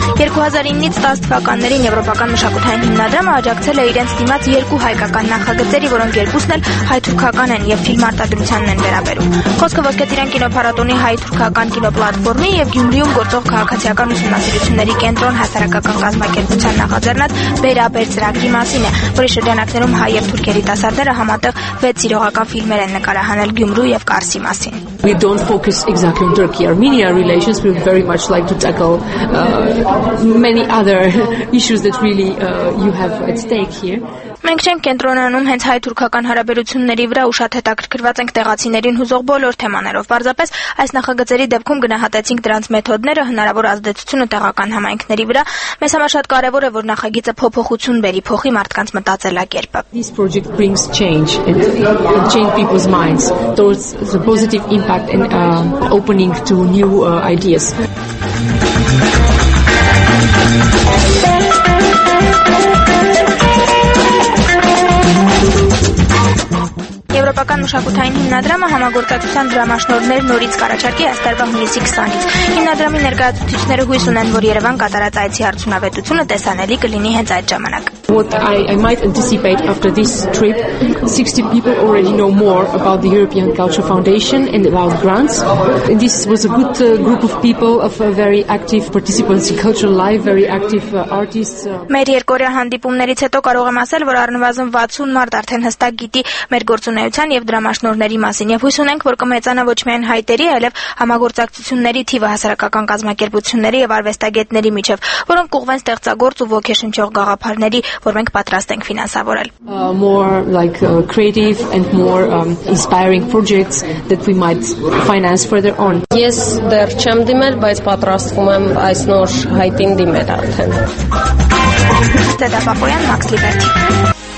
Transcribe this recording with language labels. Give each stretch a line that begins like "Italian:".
Armenian: 2009-ից 10 թվականներին Եվրոպական մշակութային հիմնադրամը աջակցել է իրենց դիմաց երկու հայկական նախագծերի, որոնք երկուսն էլ հայ-թուրքական են եւ ֆիլմ արտադրությանն են վերաբերում։ Խոսքը ոչ կտիրան կինոփառատոնի հայ-թուրքական կինոպլատֆորմի եւ Գյումրիում գործող քաղաքացիական ուսումնասիրությունների կենտրոն հասարակական կազմակերպության նախաձեռնած «Բերաբեր» ծրագրի մասին է, որի շրջանակներում հայ եւ թուրք երիտասարդները համատեղ 6 իրողական ֆիլմեր են նկարահանել Գյումրու եւ Կարսի մասին։
English: We don't focus exactly on Turkey-Armenia relations. We would very much like to tackle many other issues that really you have at stake here.
Armenian: Մենք չենք կենտրոնանում հենց հայ-թուրքական հարաբերությունների վրա ու շատ հետաքրքրված ենք տեղացիներին հուզող բոլոր թեմաներով։ Պարզապես այս նախագծերի դեպքում գնահատեցինք դրանց մեթոդները, հնարավոր ազդեցությունը տեղական համայնքների վրա։ Մեզ համար շատ կարևոր է, որ նախագիծը փոփոխություն բերի, փոխի մարդկանց մտածելակերպը։
English: This project brings change and change people's minds towards the positive impact and opening to new ideas.
Armenian: Եվրոպական մշակութային հիմնադրամը համագործակցության դրամաշնորներ նորից կարաչարկի այս տարվա հունիսի 20-ից։ Հիմնադրամի ներկայացուցիչները հույս ունեն, որ Երևան կատարած այցի արդյունավետությունը տեսանելի կլինի հենց այդ ժամանակ։
English: What I might anticipate after this trip, 60 people already know more about the European Culture Foundation and about grants. And this was a good group of people of very active participants in cultural life, very active artists.
Armenian: Մեր երկօրյա հանդիպումներից հետո կարող եմ ասել, որ առնվազն 60 մարդ արդեն հստակ գիտի մեր գործունեության եւ դրամաշնորների մասին եւ հույս ունենք, որ կմեծանա ոչ միայն հայտերի, այլեւ համագործակցությունների թիվը հասարակական կազմակերպությունների եւ արվեստագետների միջեւ, որոնք կուղվեն ստեղծագործ ու ոգեշնչող գաղափարների որ մենք պատրաստ ենք ֆինանսավորել
English: more like creative and more inspiring projects that we might finance further on.
Armenian: Ես դեռ չեմ դիմել, բայց պատրաստվում եմ այս նոր հայտին դիմել արդեն։ Տեդա Պապոյան, Max Liberty.